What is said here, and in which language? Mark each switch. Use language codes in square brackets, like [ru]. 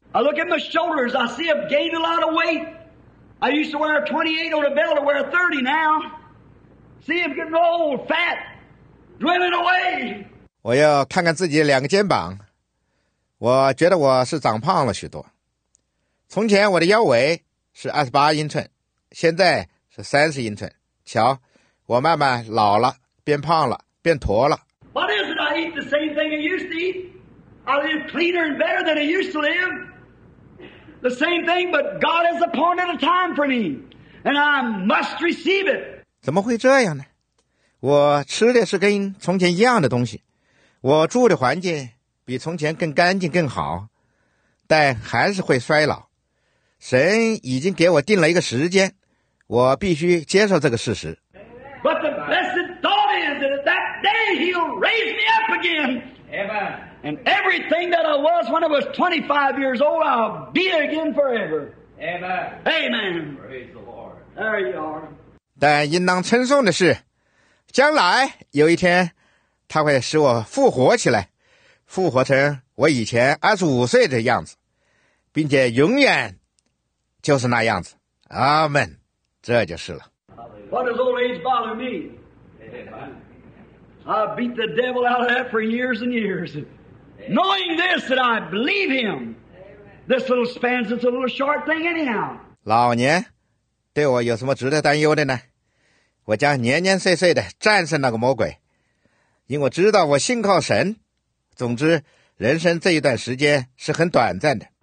[en] I look at my shoulders. I see I've gained a lot of weight. I used to wear a 28 on a belt to wear a 30 now. See, I'm getting old, fat. Dwelling away. [zh] 我要看看自己的两个肩膀，我觉得我是长胖了许多。从前我的腰围是28英寸，现在是30英寸。瞧，我慢慢老了，变胖了，变驼了。 [en] What is it? I eat the same thing I used to eat. I live cleaner and better than I used to live. The same thing, but God has appointed a time for me, and I must receive it. [zh] 怎么会这样呢？我吃的是跟从前一样的东西，我住的环境比从前更干净更好，但还是会衰老。神已经给我定了一个时间，我必须接受这个事实。 [en] But the blessed thought is that at that day he'll raise me up again. Amen. And everything that I was when I was 25 years old, I'll be again forever. Amen. Amen. Praise the Lord. There you are. [zh] 但应当称颂的是，将来有一天他会使我复活起来，复活成我以前25岁的样子，并且永远就是那样子。阿们。这就是了。 [en] What does old age bother me? I beat the devil out of that for years and years. Knowing this that I believe him, this little span is a little short thing anyhow. [zh] 老年对我有什么值得担忧的呢？我将年年岁岁的战胜那个魔鬼，因为我知道我信靠神。总之，人生这一段时间是很短暂的。